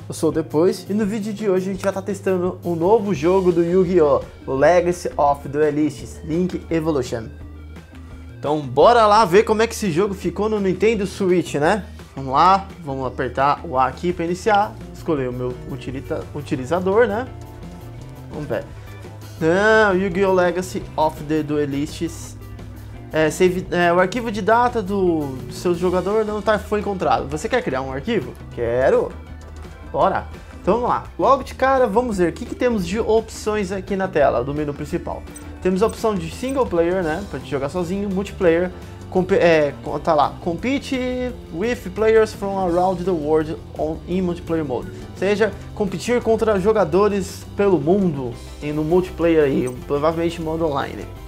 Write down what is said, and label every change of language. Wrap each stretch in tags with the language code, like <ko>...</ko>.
<pt>Eu sou o Depois e no vídeo de hoje a gente já tá testando um novo jogo do Yu-Gi-Oh! O Legacy of Duelists, Link Evolution. Então bora lá ver como é que esse jogo ficou no Nintendo Switch, né? Vamos lá, vamos apertar o A aqui pra iniciar, escolher o meu utilizador, né? Vamos ver. Não, Yu-Gi-Oh! Legacy of the Duelists. O arquivo de data do seu jogador não tá, foi encontrado. Você quer criar um arquivo? Quero! Bora! Então vamos lá. Logo de cara, vamos ver o que temos de opções aqui na tela, do menu principal. Temos a opção de single player, né? Pra gente jogar sozinho. Multiplayer. Tá lá.</pt> <en>Compete with players from around the world in multiplayer mode.</en> <pt>Ou seja, competir contra jogadores pelo mundo no multiplayer aí, provavelmente modo online.</pt>